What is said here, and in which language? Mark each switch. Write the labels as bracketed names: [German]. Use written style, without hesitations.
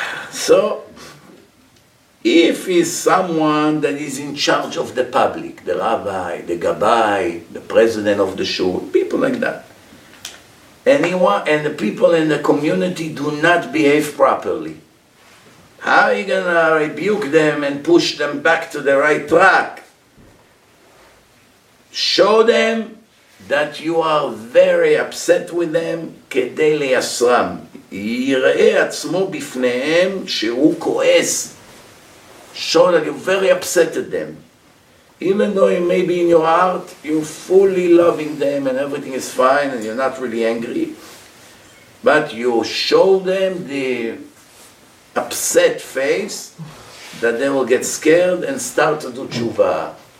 [English] So, if he's someone that is in charge of the public, the rabbi, the gabbai, the president of the shul, people like that, anyone, and the people in the community do not behave properly, how are you going to rebuke them and push them back to the right track? Show them that you are very upset with them, [Hebrew] כדי ליסרם. יראה עצמו בפניהם שהוא כועס. [English] Show that you're very upset at them. Even though maybe in your heart you're fully loving them and everything is fine and you're not really angry, but you show them the upset face that they will get scared and start to do tshuva.